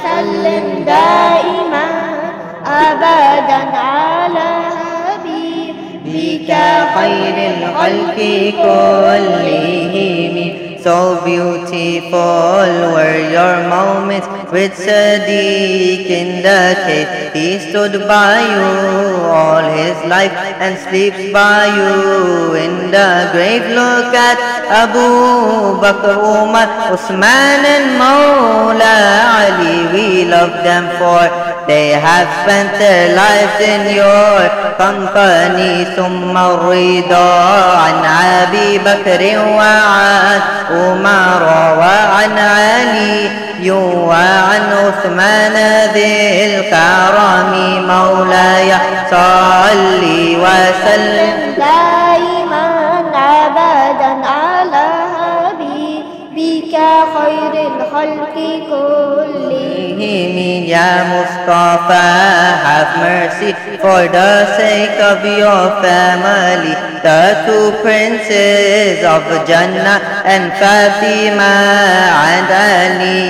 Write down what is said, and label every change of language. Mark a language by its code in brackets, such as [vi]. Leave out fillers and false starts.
[ar] وسلم دائما أبدا على حبيبك خير الخلق كلهم. [en] So beautiful were your moments with Sadiq in the cave. He stood by you all his life and sleeps by you in the grave. Look at Abu Bakr, Umar, Usman and Mawla Ali. We love them for they have spent their lives in your company. [ar] Summa ar-ridha an Abi Bakr wa an عمر وعن علي وعن عثمان ذي الكرم. مولاي صلي وسلم دائما ابدا على حبيبك خير الخلق كلهم. يا مصطفى [en] have mercy for the sake of your family. The two princes of Jannah and Fatima and Ali.